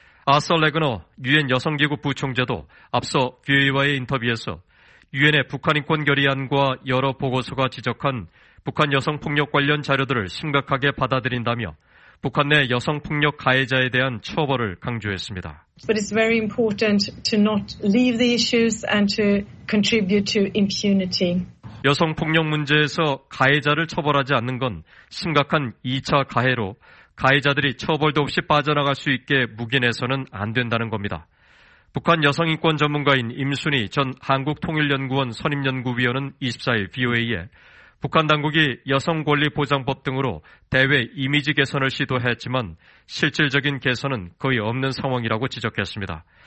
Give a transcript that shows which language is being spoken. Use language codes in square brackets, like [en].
[ko] 아서 레그너 유엔 여성기구 부총재도 앞서 VOA와의 인터뷰에서 유엔의 북한인권결의안과 여러 보고서가 지적한 북한 여성폭력 관련 자료들을 심각하게 받아들인다며 북한 내 여성 폭력 가해자에 대한 처벌을 강조했습니다. [en] But it's very important to not leave the issues and to contribute to impunity. [ko] 여성 폭력 문제에서 가해자를 처벌하지 않는 건 심각한 2차 가해로 가해자들이 처벌도 없이 빠져나갈 수 있게 묵인해서는 안 된다는 겁니다. 북한 여성 인권 전문가인 임순희 전 한국통일연구원 선임연구위원은 24일 VOA에 북한 당국이 여성권리보장법 등으로 대외 이미지 개선을 시도했지만 실질적인 개선은 거의 없는 상황이라고 지적했습니다.